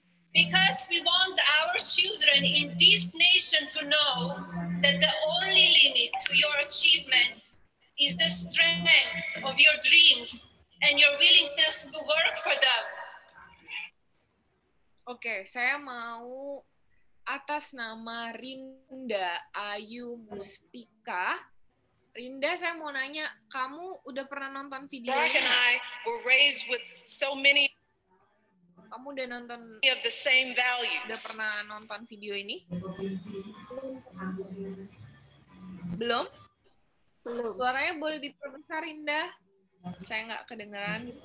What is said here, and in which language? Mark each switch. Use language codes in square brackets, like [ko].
[en] Because we want our children in this nation to know that the only limit to your achievements is the strength of your dreams and your willingness to work for them. [id] Oke, saya mau atas nama Rinda Ayu Mustika. Rinda, saya mau nanya, kamu udah pernah nonton video ini? [en] Barack and I were raised with so many... [id] Kamu udah nonton? [en] Of the same values. [id] Udah pernah nonton video ini? Belum? Belum. Suaranya boleh diperbesar, Indah? Saya nggak kedengeran.